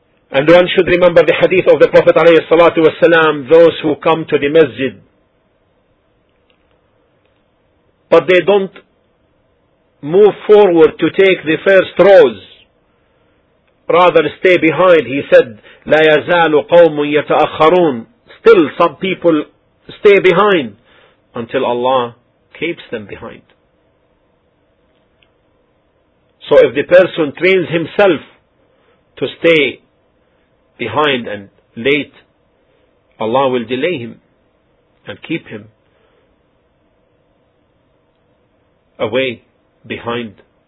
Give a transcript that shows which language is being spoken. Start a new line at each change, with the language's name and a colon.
English: And one should remember the hadith of the Prophet alayhi salatu wasalam, those who come to the masjid but they don't move forward to take the first rows, rather stay behind.
Arabic: He said, لا يزال قوم يتأخرون.
English: Still some people stay behind until Allah keeps them behind. So if the person trains himself to stay behind and late, Allah will delay him and keep him away behind.